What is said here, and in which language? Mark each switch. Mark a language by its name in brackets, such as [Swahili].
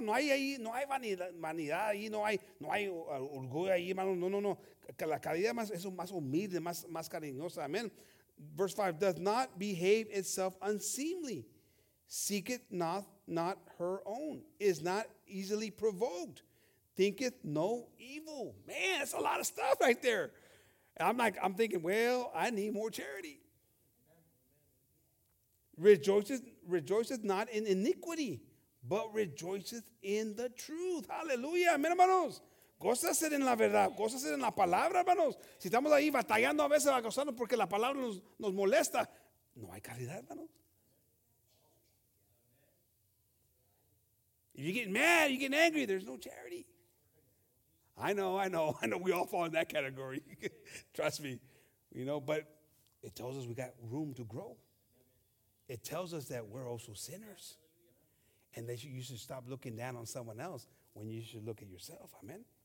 [Spanish] No hay ahí, no hay vanidad ahí, no hay orgullo ahí, hermano. No, no, no. La caridad más, eso más humilde, más cariñosa. Amén. [English] Verse 5, doth not behave itself unseemly, seeketh not her own, is not easily provoked, thinketh no evil. Man, that's a lot of stuff right there. And I'm thinking, well, I need more charity. Rejoiceth not in iniquity, but rejoiceth in the truth. [Spanish] Hallelujah. Amen, hermanos. Gózase en la verdad, gózase en la palabra, hermanos. Si estamos ahí batallando a veces, gozando porque la palabra nos molesta, no hay caridad, hermanos. [English] If you get mad, you get angry, there's no charity. I know, we all fall in that category. Trust me, you know, but it tells us we got room to grow. It tells us that we're also sinners. And that you should stop looking down on someone else when you should look at yourself, amen.